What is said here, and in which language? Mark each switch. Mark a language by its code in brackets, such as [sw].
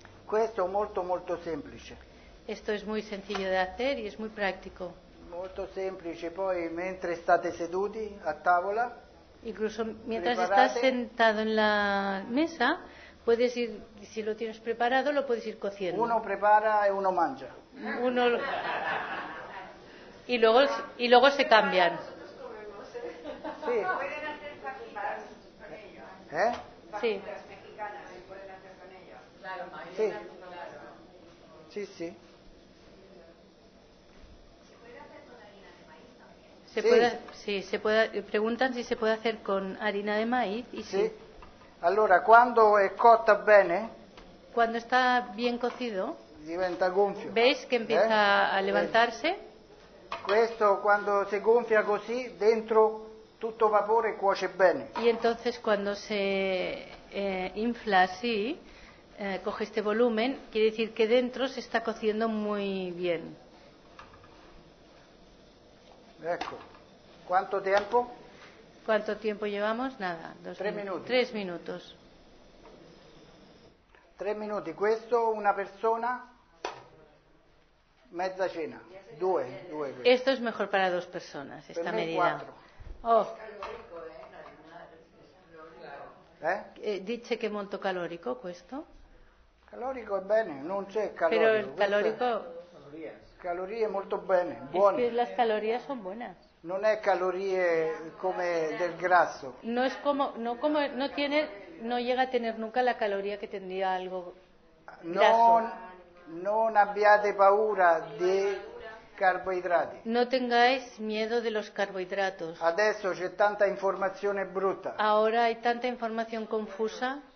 [es] Esto es muy, muy simple. Esto es muy sencillo de hacer y es muy práctico. Muy simple. [it] Poi, mentre state seduti a tavola. [es] Incluso mientras estás sentado en la mesa, puedes ir, si lo tienes preparado, lo puedes ir cociendo. Uno prepara y uno mancha. Uno y luego se cambian. Sí. Sí. Sí. Sí, sí. Se puede hacer con harina de maíz. Preguntan si se puede hacer con harina de maíz y sí. [it] Allora, quando è cotta bene? [es] Cuando está bien cocido. [it] Diventa gonfio. [es] ¿Veis que empieza a levantarse? [it] Questo quando si gonfia così, dentro tutto vapore cuoce bene. [es] Y entonces cuando se infla así, coge este volumen, quiere decir que dentro se está cociendo muy bien. Ecco. ¿Cuánto tiempo? ¿Cuánto tiempo llevamos? Nada. Tres minutos. Tres minutos. [it] Questo una persona, mezza cena. Due. [es] Esto es mejor para dos personas, esta medida. Cuatro. [it] Oh. Dice que molto calórico questo. Calórico è bene, non c'è calorico. [es] Pero el calórico. [it] Calorie molto bene, buone. [es] Es que las calorías son buenas. [it] Non è calorie come del grasso. [es] No es como, no como, no tiene, no llega a tener nunca la caloría que tendría algo grasso. [it] Non abbiate paura di carboidrati. [es] No tengáis miedo de los carbohidratos. [it] Adesso c'è tanta informazione brutta. [es] Ahora hay tanta información confusa.